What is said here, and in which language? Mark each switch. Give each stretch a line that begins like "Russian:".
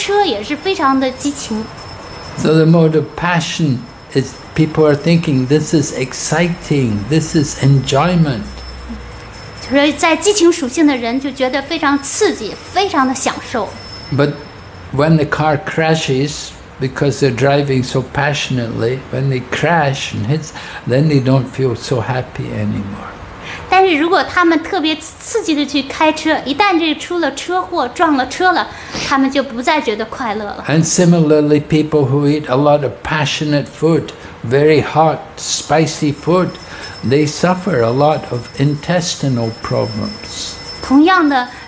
Chinese: 我们发现呢，人们呢，就是激情属性的人们，他们的穿着也是非常激情属性的，他们开车也是非常的激情。
English: So the mode of passion is people are thinking this is exciting, this is enjoyment.
Chinese: 在激情属性的人就觉得非常刺激，非常的享受。
English: But when the car crashes because they're driving so passionately, when they crash and hits, then they don't feel so happy anymore.
Chinese: 但是如果他们特别刺激的去开车，一旦这出了车祸，撞了车了，他们就不再觉得快乐了。
English: And similarly, people who eat a lot of passionate food, very hot, spicy food, they suffer a lot of intestinal problems.